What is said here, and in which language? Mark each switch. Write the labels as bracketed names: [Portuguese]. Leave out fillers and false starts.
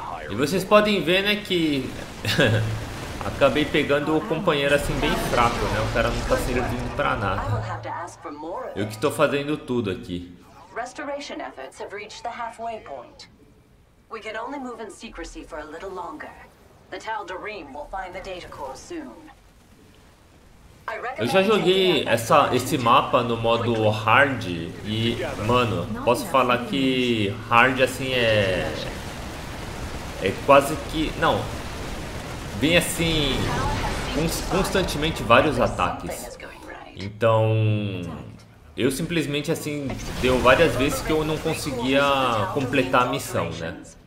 [Portuguese] E vocês podem ver, né, que acabei pegando o companheiro assim bem fraco, né? O cara não tá servindo pra nada. Eu que tô fazendo tudo aqui. [English] Restoration efforts have reached the halfway point. We can only move in secrecy for a little longer. The Tal Darim will find the data core soon. [Portuguese] Eu já joguei esse mapa no modo hard e, mano, posso falar que hard assim é quase que, não, vem assim constantemente vários ataques, então eu simplesmente assim, deu várias vezes que eu não conseguia completar a missão, né?